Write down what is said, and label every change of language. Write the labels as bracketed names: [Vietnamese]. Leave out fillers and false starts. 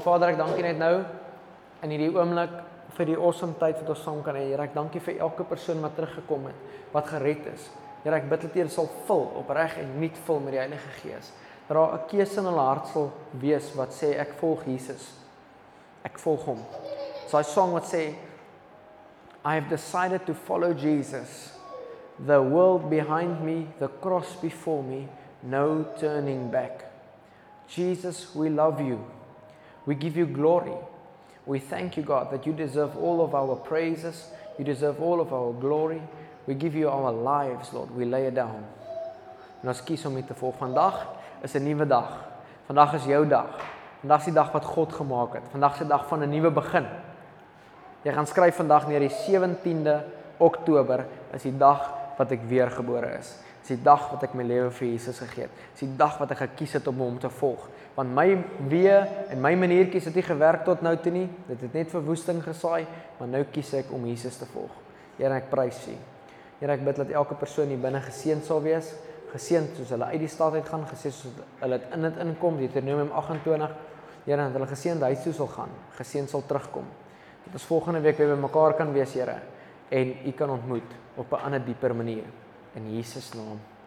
[Afrikaans] Vader, ek dank jy net nou, in hierdie oomblik, vir die awesome tyd wat ons saam kan hê. Here, ek dank jy vir elke persoon wat teruggekom het, wat gered is. Here, ek bid dat jy sal vul, opreg en nie vul met die Heilige Gees. Dat daar 'n keuse in hulle hart sal wees wat sê, ek volg Jesus. Ek volg hom. So die song wat sê, [English] I have decided to follow Jesus. The world behind me, the cross before me, no turning back. Jesus, we love you. We give you glory. We thank you, God, that you deserve all of our praises. You deserve all of our glory. We give you our lives, Lord. We lay it down. [Afrikaans] En ons kies om u te volg. Vandag is 'n nuwe dag. Vandag is jou dag. Vandag is die dag wat God gemaak het. Vandag is die dag van 'n nuwe begin. Jy gaan skryf vandag neer die 17de Oktober is die dag wat ek weergebore is. Is die dag wat ek my lewe vir Jesus gegee het. Is die dag wat ek gekies het om hom te volg. Want my weë en my maniertjies het nie gewerk tot nou toe nie. Dit het net verwoesting gesaai, maar nou kies ek om Jesus te volg. Here, ek prys U. Here, ek bid dat elke persoon hier binne geseend sal wees. Geseend soos hulle uit die stad uit gaan, geseend soos hulle in dit inkom, Deuteronomium 28. Here, dat hulle geseend huis toe sal gaan, geseend sal terugkom. Dat ons volgende week weer by mekaar kan wees, Here, en U kan ontmoet op 'n ander dieper manier. In Jesus naam.